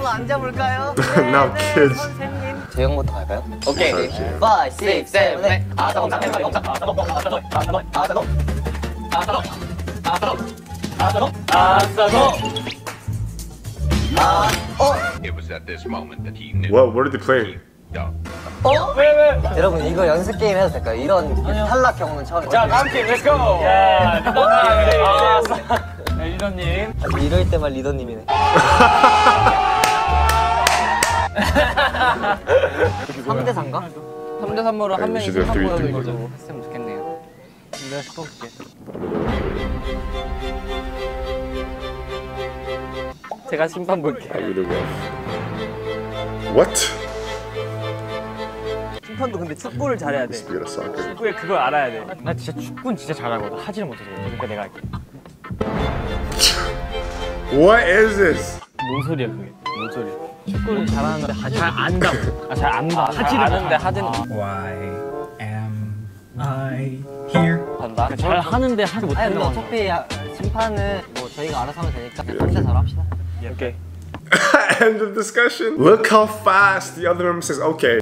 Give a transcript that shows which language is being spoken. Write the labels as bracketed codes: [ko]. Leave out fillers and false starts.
[en] It was at this moment that he knew. Well, where did they play? Yeah. Oh, wait. [ko] 여러분 이거 연습 게임 해도 될까요? 이런 탈락 경우는 처음. 자, 다음 팀, [en] let's go. [ko] 야, 리더님. 리더님. 이럴 때만 리더님이네. 3대 3인가? 3대 3으로 한 명이 생각보다 이거 좀 했으면 좋겠네요. 내가 시켜볼게. 제가 심판 볼게요. [en] What? [ko] 심판도 근데 축구를 잘해야 돼. 축구에 그걸 알아야 돼. 나 진짜 축구는 진짜 잘하거든. 하지를 못해서 그러니까 내가 할게. [en] What is this? [ko] 뭔 소리야 그게? 뭔 소리야? 축구는 잘하는데 하지 잘 안다. 아 잘 안다. 하지를 아는데 하지. [en] Why am I here? [ko] 간다. 잘 하는데 하지 못하는 거. 어차피 심판은 뭐 저희가 알아서 하면 되니까 각자 잘합시다. [en] Okay. End of discussion. Look how fast the other member says, okay.